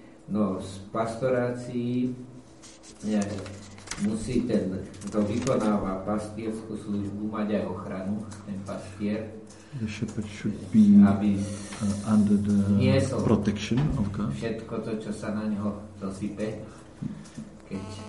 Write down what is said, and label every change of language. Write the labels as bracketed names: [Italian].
[Slovak] No, v pastorácii musí ten, kto vykonáva pastierskú službu, mať aj ochranu, ten pastier. [English] The shepherd should be under the protection of God. [Slovak] Všetko to, čo sa na neho dosype, keď